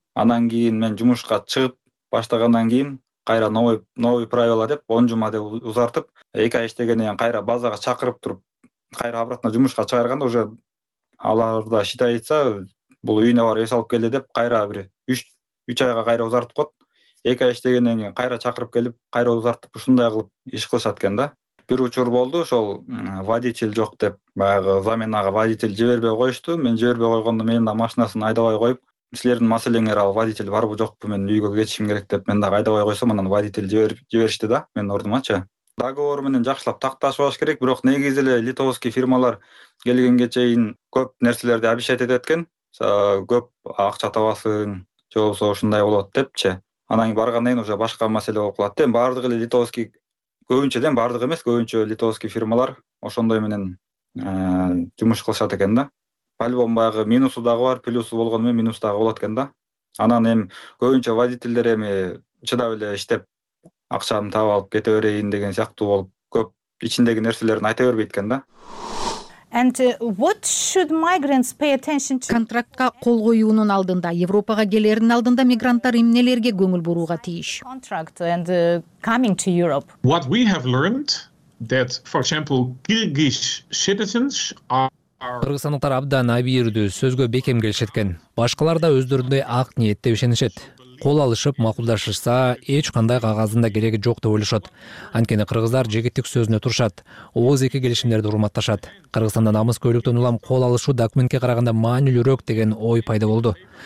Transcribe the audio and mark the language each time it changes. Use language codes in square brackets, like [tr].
[ky] Анан кийин мен жумушка чыгып баштагандан кийин кайра [ru] новый правила [ky] деп 10 жума деп узартып, 2 ай иштегенден кайра базага чакырып туруп, кайра [ru] обратно [ky] жумушка чыгарганда [ru] уже [ky] аларда [ru] считается, [ky] бул үйүнө барып эс алып келди деп кайра бир 3 айга кайра узартып коет. 2 ай иштегенден кийин кайра чакырып келип, кайра узартып ушундай кылып иш кылышат экен да. Бир учур болду, ошол водитель жок деп баягы заменага водитель жибербей коюшту. Мен жибербей койгондо менин да машинасын айдабай коюп, силердин маселеңер ал водитель барбы жокпу, мен үйгө кетишим керек деп мен дагы айдабай койсом, анан водитель жиберишти да менин ордумачы. Договор менен жакшылап такташпаш керек, бирок негизи эле [ru] литовский [ky] фирмалар келгенге чейин көп нерселерди [ru] обещать [ky] этет экен, көп акча табасың, же болбосо ушундай болот депчи. Анан кийин баргандан кийин [ru] уже [ky] башка маселе болуп калат. Эми баардыгы эле [ru] литовский, [ky] көбүнчө дем баардыгы эмес, көбүнчө [ru] литовский [ky] фирмалар ошондой менен жумуш кылышат экен да. [ru] По-любому [ky] баягы минусу дагы бар, плюсу болгону менен минусу дагы болот экен да. Анан эми көбүнчө водительдер эми чыдап эле иштеп акчаны таап алып кете берейин деген сыяктуу болуп, көп ичиндеги нерселерин айта бербейт экен да. [en] And what should migrants pay attention to? [ky] Контрактка кол коюунун алдында, Европага келердин алдында мигранттар эмнелерге көңүл бурууга тийиш? [en] Contract and coming to Europe. What we have learned that, for example, Kyrgyz citizens are [ky] Кыргызстандыктар абдан абийирдүү, сөзгө бекем келишет экен. Башкалар да өздөрүндөй ак ниетте ишенишет. Кол алышып макулдашышса, эч кандай кагаздын да кереги жок деп ойлошот. Анткени кыргыздар жегиттик сөзүнө турушат, ооз эки келишимдерди урматташат. Кыргызстанда намыс көйлөктөн улам кол алышуу документке караганда маанилүүрөөк деген ой пайда болду.